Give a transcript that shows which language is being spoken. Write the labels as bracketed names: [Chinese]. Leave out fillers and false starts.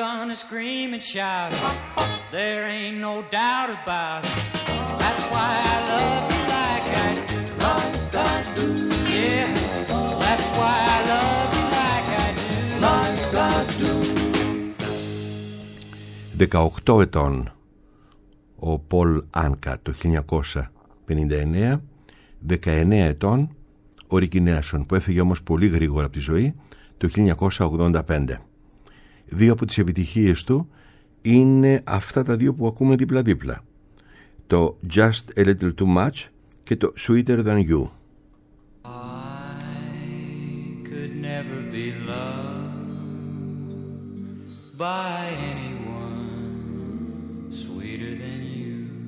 [English] Scream and shout it. There ain't no doubt about it. That's why I love you like I do. Like I do. Yeah. That's why I love you like I do. Like I do. [Greek] 18 ετών ο Πολ Άνκα το 1959, 19 ετών ο Ρίκι Νέλσον που έφυγε όμως πολύ γρήγορα από τη ζωή το 1985. Δύο από τις επιτυχίες του είναι αυτά τα δύο που ακούμε δίπλα-δίπλα. Το Just a Little Too Much και το Sweeter Than You. [English] I could never be loved by anyone sweeter than you.